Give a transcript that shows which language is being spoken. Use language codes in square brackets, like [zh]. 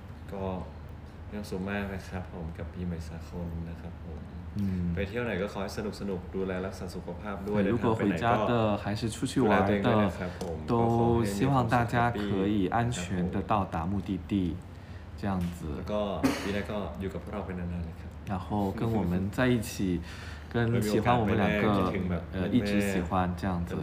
[th] ก็ยังสุขมากนะครับผมกับพี่ใหม่สักคนนะครับผมไปเที่ยวไหนก็ขอให้สนุกสนุกดูแลรักษาสุขภาพด้วย ถ้าไปไหนก็ [zh] 还是出去玩的都希望大家可以安全的到达目的地这样子 [th] ก็ปีนี้ก็อยู่กับเราไปนานๆนะครับ [zh] 然后跟我们在一起跟喜欢我们两个一直喜欢这样子